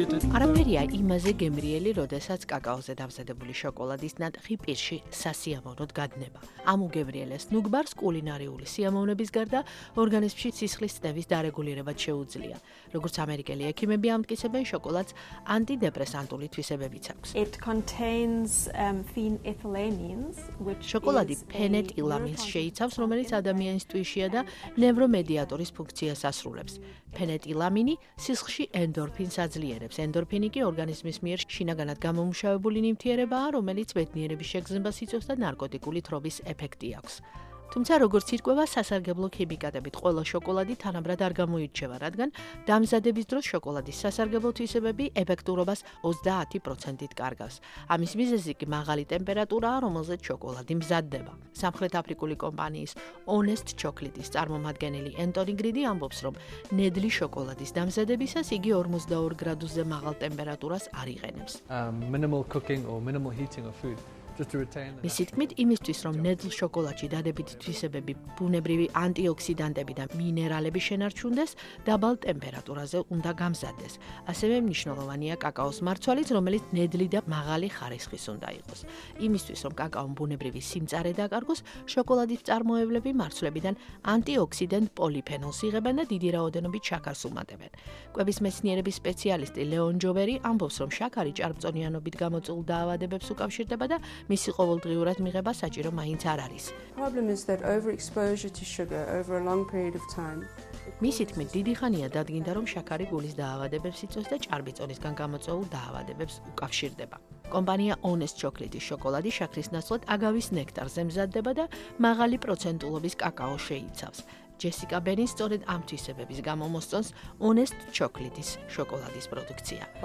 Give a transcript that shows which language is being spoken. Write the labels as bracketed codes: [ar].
[ka] არაფერია იმაზე გემრიელი, როდესაც კაკაოზე დამზადებული შოკოლადის ნატხი პირში სასიამოვნოდ გადნება. ამ უგემრიელეს ნუგბარს კულინარიული სიამოვნების გარდა ორგანიზმში სისხლის წნევის დარეგულირებაც შეუძლია. როგორც ამერიკელი ექიმები ამტკიცებენ, შოკოლადს ანტიდეპრესანტული თვისებებიც აქვს. [en] It contains phenethylamines, which [ka] შოკოლადი ფენეთილამინს შეიცავს, რომელიც ადამიანის ტვიშია და ნევრომედიატორის ფუნქციას ასრულებს. ფენეტილამინი სისხლში ენდორფინს აძლიერებს. ენდორფინი კი ორგანიზმის მიერ შინაგანად გამომუშავებული ნივთიერებაა, რომელიც ბედნიერების შეგრძნებას იწვევს და ნარკოტიკული თრობის ეფექტი აქვს. თუმცა როგორც ირკვევა, სასარგებლო ქიმიკატებით ყველა შოკოლადი თანაბრად არ გამოირჩევა, რადგან დამზადების დროს შოკოლადის სასარგებლო თვისებები ეფექტურობას 30%-ით კარგავს. ამის მიზეზი კი მაღალი ტემპერატურაა, რომელზეც შოკოლადი მზადდება. სამხრეთ აფრიკული კომპანიის Honest Chocolate-ის წარმომადგენელი ენტონი გრიდი ამბობს, რომ ნედლი შოკოლადის დამზადებისას იგი 42 გრადუსზე მაღალ ტემპერატურას არ იყენებს. [en] Minimal cooking or minimal heating of food. [ka] მისი თქმით, იმისთვის, რომ ნედლ შოკოლადში დადებითი თვისებები ბუნებრივი ანტიოქსიდანტები და მინერალები შენარჩუნდეს, დაბალ ტემპერატურაზე უნდა გამზადდეს. ასევე მნიშვნელოვანია კაკაოს მარცვალიც, რომელიც ნედლი და მაღალი ხარისხის უნდა იყოს. იმისთვის, რომ კაკაო ბუნებრივი სიმწარე დაკარგოს, შოკოლადის წარმოებლები მარცვლებიდან ანტიოქსიდანტ პოლიფენოლს იღებენ და დიდი რაოდენობით შაქარს უმატებენ. კვების მეცნიერების სპეციალისტი ლეონ ჯოვერი ამბობს, რომ შაქარი ჭარბწონიანობით გამოწვეულ დაავადებებს უკავშირდება და მისი ყოველდღიურად მიღება საჭირო მაინც არ არის. [en] Problem is that overexposure to sugar over a long period of time. [ka] მისი თქმით, დიდი ხანია დადგინდა, რომ შაქარი გულის დაავადებებს იწვევს და ჭარბწონისგან გამოწვეულ დაავადებებს უკავშირდება. კომპანია Honest Chocolate-ის შოკოლადი შაქრის ნაცვლად აგავის ნექტარზე მზადდება და მაღალი პროცენტულობის კაკაო შეიცავს. ჯესიკა ბენი სწორედ ამ თვისებების გამო მოსწონს Honest Chocolate-ის შოკოლადის პროდუქცია.